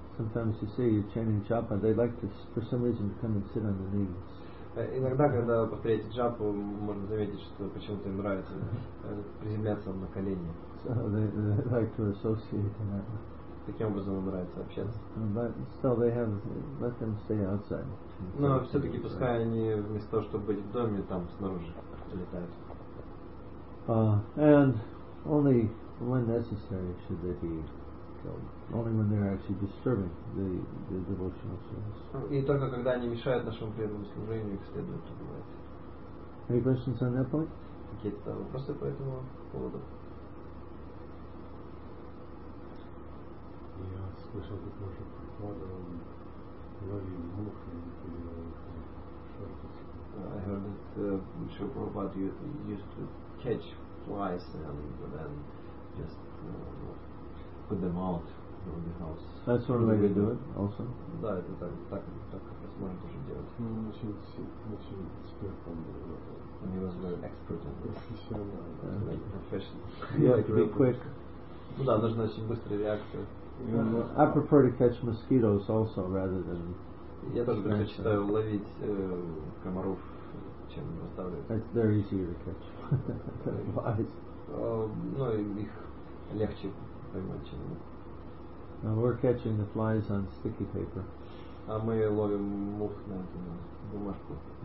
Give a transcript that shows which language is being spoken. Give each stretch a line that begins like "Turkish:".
English: Sometimes you see chanting japa, they like to, for some reason, come and sit on the knees.
Russian: Иногда, когда повторяете джапу, можно заметить, что почему-то им нравится приземляться на колени. Таким образом, им нравится общаться. Но все-таки, пускай они вместо того, чтобы быть в доме, там снаружи летают.
English: And only when necessary should they be killed. Only when they are actually disturbing the devotional service.
Russian: И только когда они мешают нашему преданному служению, их следует убивать.
English: Any questions on that point?
Russian: Какие-то вопросы по этому поводу? Я слышал, как можно прикладывать ловить мух и
English: I heard that Srila Prabhupada used to catch flies and then just put them out of the house. That's one way to do it also?
Russian: Да, это так можно тоже делать. Он очень эксперт.
English: And he was very expert in this. Professional. Like professional. Yeah, to be quick.
Russian: Ну да, нужна очень быстрая реакция.
English: I prefer to catch mosquitoes also rather than...
Russian: Я тоже предпочитаю ловить комаров, чем оставлять.
English: They're easier to catch.
Russian: Ну, их легче поймать, чем...
English: We're catching the flies on sticky paper.
Russian: А мы ловим мух на эту бумажку.